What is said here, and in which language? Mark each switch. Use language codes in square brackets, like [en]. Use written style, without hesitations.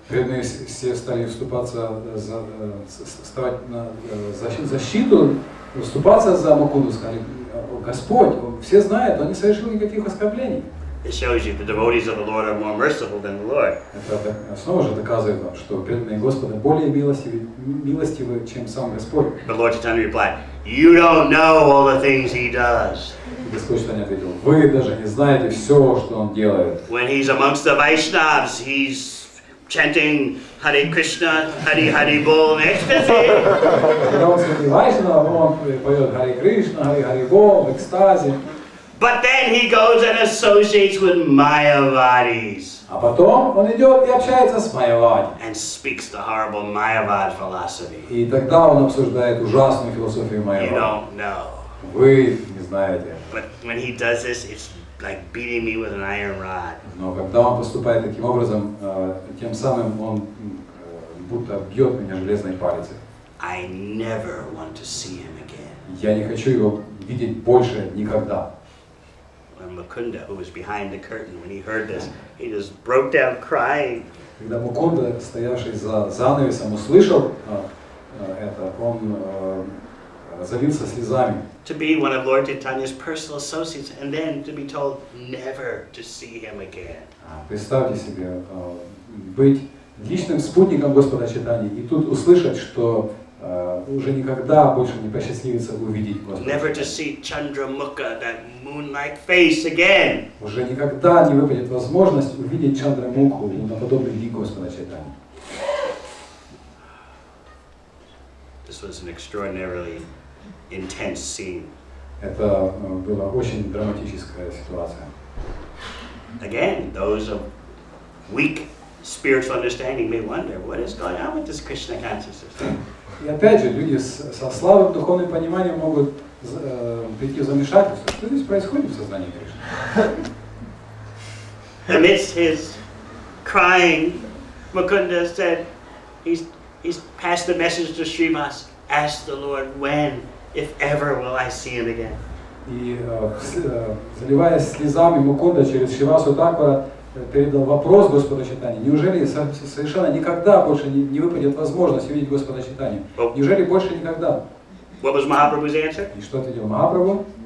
[ru] Преданные все стали вступаться за, вставать на защиту, вступаться за Мукунду, сказали, Господь, все знают, он не совершил никаких оскорблений. [en] It shows you the devotees of the Lord are more merciful than the Lord. [ru] Это снова же доказывает вам, что преданные Господа более милостивы, чем сам Господь. [en] But Lord Chaitanya replied, you don't know all the things he does. [ru] Господь Чайтанья ответил, вы даже не знаете все, что он делает. [en] When he's amongst the Vaishnavs, he's chanting Hare Krishna, Hare Hare Bol in ecstasy. [ru] Когда он среди Вайшнав, он поет Hare Krishna, Hare Hare Bol в экстазе. [en] But then he goes and associates with Mayavadis. [ru] А потом он идет и общается с Майявадами. [en] And speaks the horrible Mayavad philosophy. [ru] И тогда он обсуждает ужасную философию Майявад. [en] You don't know. [ru] Вы не знаете. [uk] знаєте. [en] But when he does this, it's like beating me with an iron rod. [ru] Но когда он поступает таким образом, тем самым он будто бьет меня железной палицей. [en] I never want to see him again. [ru] Я не хочу его видеть больше никогда. [en] And Mukunda, who was behind the curtain when he heard this, he just broke down crying. [ru] Когда Мукунда, стоявший за занавесом, услышал это, он залился слезами. [en] To be one of Lord Chaitanya's personal associates and then to be told never to see him again. [ru] Представьте себе, быть личным спутником Господа Чайтаньи и тут услышать, что уже никогда больше не посчастливится увидеть Господа. [en] Never to see Chandramukha, that moon-like face again. [ru] Уже никогда не выпадет возможность увидеть Чандрамукху на подобный лик Господа Чайтаньи. [en] This was an extraordinarily intense scene. [ru] Это была очень драматическая ситуация. [en] Again, those of weak spiritual understanding may wonder, what is going on with this Krishna consciousness? [ru] И опять же, люди со слабым духовным пониманием могут прийти в замешательство. Что здесь происходит в сознании Кришны? [en] Amidst his crying, Mukunda said, he's passed the message to Srimas, ask the Lord, when, if ever, will I see him again? [ru] И заливаясь слезами, Мукунда через Шривасу Такура передал вопрос Господа Чайтаньи, неужели совершенно никогда больше не выпадет возможность увидеть Господа Чайтаньи? Неужели больше никогда? [en] What was Mahaprabhu's answer? [ru] И что ответил Махапрабху?